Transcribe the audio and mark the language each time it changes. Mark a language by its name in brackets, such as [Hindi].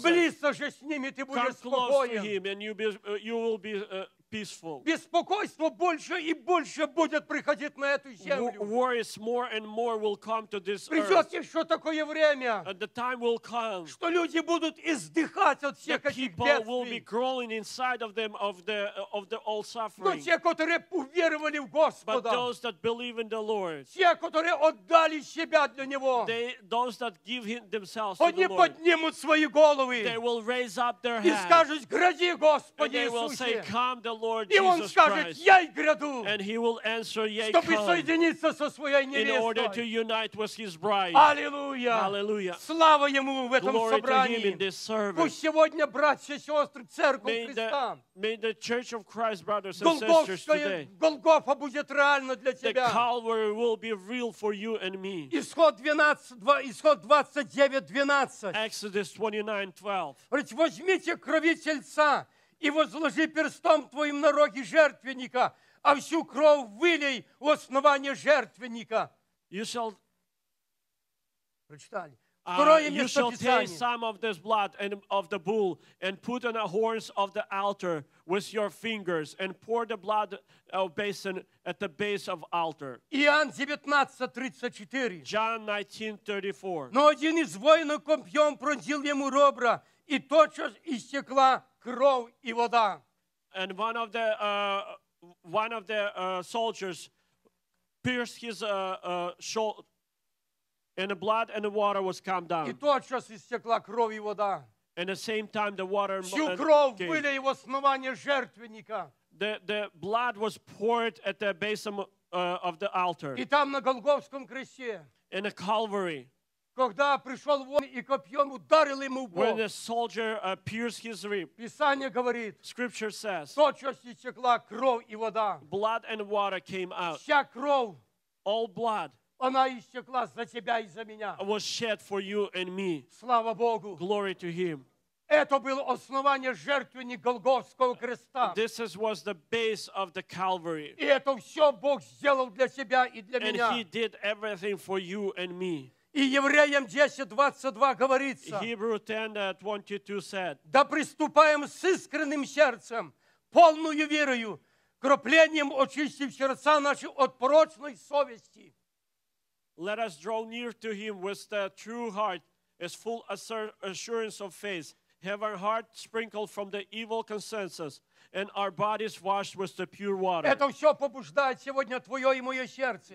[Russian] Сблизься же с ними, ты будешь спокоен. [English] Come close to him and you will be peaceful. [Russian] Беспокойство больше и больше будет приходить на эту землю. [English] Worries more and more will come to this [Russian] Придет [English] earth. [Russian] Придет еще такое время. [English] And the time will come. [Russian] Что люди будут издыхать от всех этих бедствий. [English] People will be groaning inside of them of the all suffering. [Russian] Но те, которые уверовали в Господа. [English] But those that believe in the Lord. [Russian] Те, которые отдали себя для Него. [English] Those that give him themselves [Russian] Они [English] to the Lord. [Russian] Они поднимут свои головы. [English] They will raise up their hands. [Russian] И скажут, гради Господи Иисусе. [English] And they will say, come the Lord [Russian] и он скажет, я и гряду, [English] and he will answer, yea, [Russian] чтобы [English] come, [Russian] соединиться со своей невестой. [English] In order to unite with his bride. [Russian] Аллилуйя. [English] Hallelujah. [Russian] Слава ему в этом [English] Glory [Russian] собрании. [English] To him in this service. [Russian] Пусть сегодня, братья и сестры, церковь Христа, [English] may the Church of Christ, brothers and sisters, today. [Russian] Голгофа будет реально для тебя. [English] The Calvary will be real for you and me. [Russian] Исход 29:12. [English] Exodus 29:12. [Russian] Говорит, возьмите крови тельца. И возложи перстом твоим на роги жертвенника, а всю кровь вылей в основание жертвенника. [English] You shall... [Russian] Прочитали. [English] You shall take some of this blood and of the bull and put on the horns of the altar with your fingers and pour the blood of basin at the base of altar. [Russian] Иоанн 19:34. [English] John 19:34. [Russian] Но один из воинов копьем пронзил ему ребра, и тотчас истекла кровь и вода. [English] And one of the soldiers pierced his shoulder, and the blood and the water was come down. [Russian] И тотчас истекла кровь и вода. [English] And the same time the water [Russian] всю кровь вылей в основание жертвенника. [English] The blood was poured at the base of the altar. [Russian] И там на Голгофском кресте. [English] In the Calvary. [Russian] Когда пришел воин и копьем ударил ему в бок. [English] When the soldier pierced his rib. [Russian] Писание говорит. [English] Scripture says. [Russian] Тотчас истекла кровь и вода. [English] Blood and water came out. [Russian] Вся кровь. [English] All blood. [Russian] Она истекла за тебя и за меня. [English] Was shed for you and me. [Russian] Слава Богу. [English] Glory to him. [Russian] Это было основание жертвенника Голгофского креста. [English] This was the base of the Calvary. [Russian] И это все Бог сделал для себя и для меня. [English] And he did everything for you and me. [Russian] И евреям 10:22 говорится. [English] Hebrews 10:22 said. [Russian] Да приступаем с искренним сердцем, полную верою, кроплением очистив сердца наши от порочной совести. [English] Let us draw near to him with the true heart, as full assurance of faith. Have our hearts sprinkled from the evil consensus, and our bodies washed with the pure water. [Russian] Это все побуждает сегодня твое и мое сердце.